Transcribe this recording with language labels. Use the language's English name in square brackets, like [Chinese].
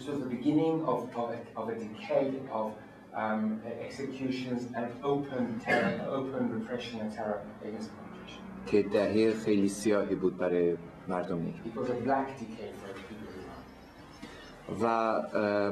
[English] This was the beginning of a decade of executions and open terror, open repression and terror against the population. [Persian] که دهه خیلی سیاهی بود برای مردم ایران. [English] It was a black decade for the people of Iran.